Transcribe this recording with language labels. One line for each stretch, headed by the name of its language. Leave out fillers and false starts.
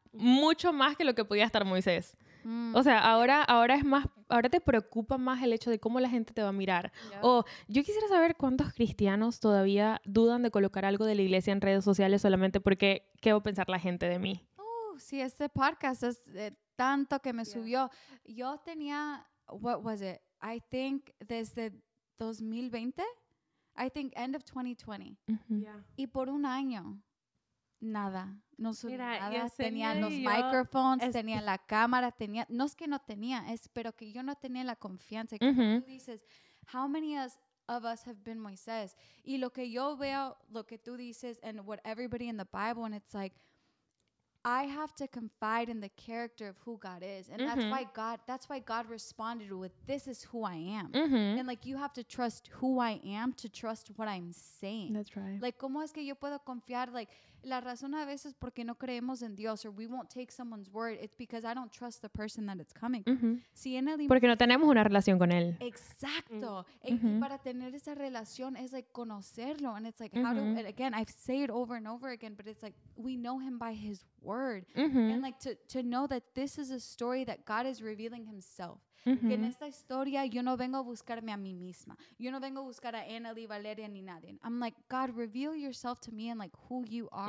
Spanish: Mucho más que lo que podía estar Moisés. Mm. O sea, ahora te preocupa más el hecho de cómo la gente te va a mirar. Yeah. O yo quisiera saber cuántos cristianos todavía dudan de colocar algo de la iglesia en redes sociales solamente porque qué va a pensar la gente de mí. Sí, este podcast es tanto que me subió. Yo tenía,
English: what was it? I think
Spanish: desde 2020,
English: I think end of 2020. Mm-hmm. Yeah.
Spanish: Y por un año, nada. No subí nada. Tenía los microphones, tenía la cámara, tenía. No es que no tenía, es pero que yo no tenía la confianza. Mm-hmm.
English: Como tú dices, how many of us have been Moisés?
Spanish: Y lo que yo veo, lo que tú dices,
English: and what everybody in the Bible, and it's like, I have to confide in the character of who God is. And mm-hmm. that's why God responded with, this is who I am. Mm-hmm. And like, you have to trust who I am to trust what I'm saying. That's right. Like,
Spanish: ¿cómo es que yo puedo confiar?
English: Like,
Spanish: la razón a veces porque no creemos en Dios
English: or we won't take someone's word, it's because I don't trust the person that it's coming from. Mm-hmm.
Spanish: Si porque no tenemos una relación con él. Exacto. Mm-hmm. Y para tener esa relación es like conocerlo.
English: And it's like, mm-hmm. again, I've said it over and over again, but it's like, we know him by his word. Mm-hmm. And like to know that this is a story that God is revealing himself. Mm-hmm.
Spanish: Que en esta historia yo no vengo a buscarme a mí misma. Yo no vengo a buscar a Annalie, Valeria, ni nadie.
English: I'm like, God, reveal yourself to me and like who you are.